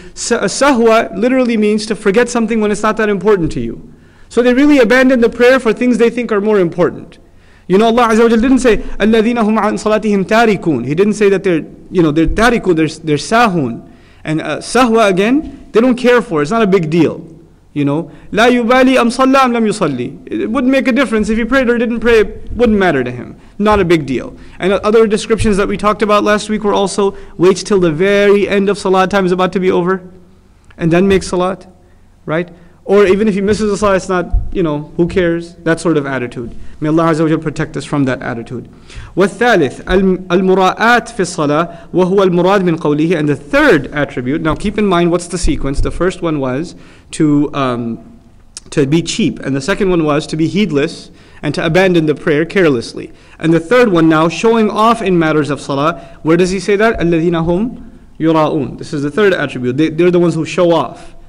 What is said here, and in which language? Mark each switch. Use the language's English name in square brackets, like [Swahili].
[English] Sahwa literally means to forget something when it's not that important to you. So they really abandon the prayer for things they think are more important. You know, Allah Azza wa Jal didn't say, [Arabic] Alladhina hum an salatihim tarikun. [English] He didn't say that they're tarikun, they're sahun. And sahwa again, they don't care for it. It's not a big deal. You know, [Arabic] لا يبالي أم صلى أم لم يصلي. [English] It wouldn't make a difference if he prayed or didn't pray. It wouldn't matter to him. Not a big deal. And other descriptions that we talked about last week were also waits till the very end of salat time is about to be over, and then makes salat, right? Or even if he misses the salat, it's not, you know, who cares? That sort of attitude. May Allah Azza wa Jalla protect us from that attitude. [Arabic] والثالث المراءات في الصلاة وهو المراد من قوله. [English] And the third attribute. Now keep in mind what's the sequence. The first one was to be cheap, and the second one was to be heedless and to abandon the prayer carelessly. And the third one now, showing off in matters of salah. Where does he say that? [Arabic] الَّذِينَ هُمْ يُرَاءُونَ [English] This is the third attribute. They're the ones who show off.